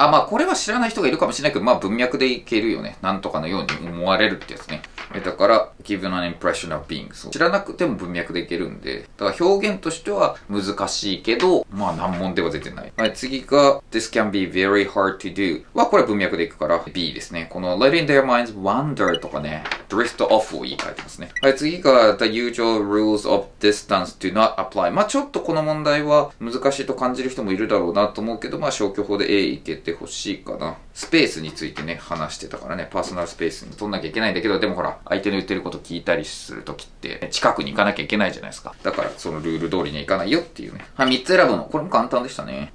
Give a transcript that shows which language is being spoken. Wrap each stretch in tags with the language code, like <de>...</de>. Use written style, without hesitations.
<ja>あ、まあこれは知らない人がいるかもしれないけど、まあ文脈でいけるよね。なんとかのように思われるってやつね。だから</ja> <en>given an impression of being.</en> <ja>そう。知らなくても文脈でいけるんで。だから表現としては難しいけど、まあ難問では出てない。はい、次が</ja> <en>this can be very hard to do.</en> <ja>はこれ文脈でいくから B ですね。この</ja> <en>letting their minds wander</en> <ja>とかね、drift off を言い換えてますね。はい、次が</ja> <en>the usual rules of distance do not apply.</en> <ja>まあちょっとこの問題は難しいと感じる人もいるだろうなと思うけど、まあ消去法で A 行けてほしいかな。スペースについてね、話してたからね、パーソナルスペースに取んなきゃいけないんだけど、でもほら、相手の言ってること聞いたりするときって、近くに行かなきゃいけないじゃないですか。だから、そのルール通りに行かないよっていうね。はい、3つ選ぶの。これも簡単でしたね。</ja>